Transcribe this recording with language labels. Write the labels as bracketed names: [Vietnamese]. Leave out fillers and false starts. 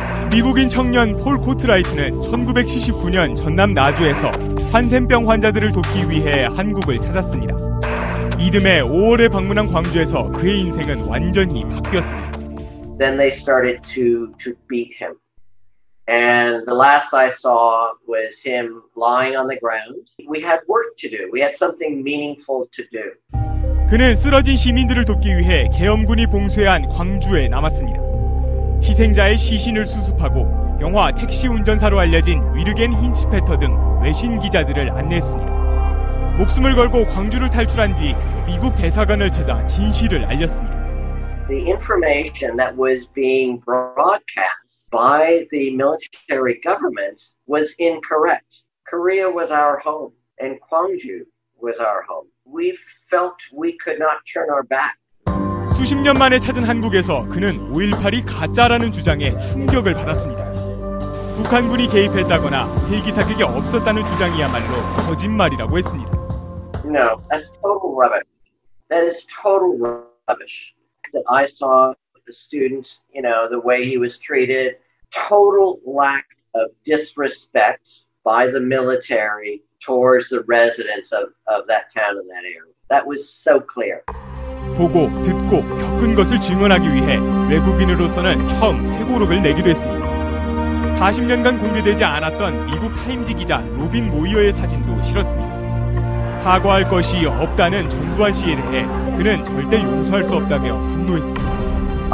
[Korean] 미국인 청년 폴 코트라이트는 1979년 전남 나주에서 한센병 환자들을 돕기 위해 한국을 찾았습니다. 이듬해 5월에 방문한 광주에서 그의 인생은 완전히 바뀌었습니다. [English] Then they started to beat him. And the last I saw was him lying on the ground. We had work to do. We had something meaningful to do. [Korean] 그는 쓰러진 시민들을 돕기 위해 계엄군이 봉쇄한 광주에 남았습니다. 희생자의 시신을 수습하고 영화 택시 운전사로 알려진 위르겐 힌츠페터 등 외신 기자들을 안내했습니다. 목숨을 걸고 광주를 탈출한 뒤 미국 대사관을 찾아 진실을 알렸습니다. [English] The information that was being broadcast by the military government was incorrect. Korea was our home and Gwangju was our home. We felt we could not turn our back. [Korean] 수십 년 만에 찾은 한국에서 그는 5.18이 가짜라는 주장에 충격을 받았습니다. 북한군이 개입했다거나 헬기 사격이 없었다는 주장이야말로 거짓말이라고 했습니다. [English] No, that's total rubbish. That is total rubbish. That I saw the students, you know, the way he was treated. Total lack of disrespect by the military towards the residents of that town and that area. That was so clear. [Korean] 보고 듣고 겪은 것을 증언하기 위해 외국인으로서는 처음 회고록을 내기도 했습니다. 40년간 공개되지 않았던 미국 타임즈 기자 로빈 모이어의 사진도 실었습니다. 사과할 것이 없다는 전두환 씨에 대해 그는 절대 용서할 수 없다며 분노했습니다.